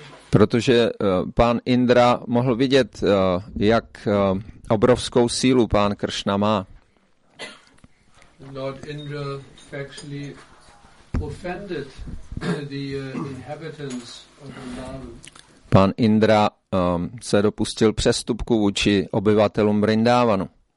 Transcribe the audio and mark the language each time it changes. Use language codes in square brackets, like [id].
[cs] Protože pán Indra mohl vidět, jak obrovskou sílu pán Kršna má. [en] Lord Indra actually offended the inhabitants of Vrindavan. [cs] Pán Indra se dopustil přestupku vůči obyvatelům Vrindavanu.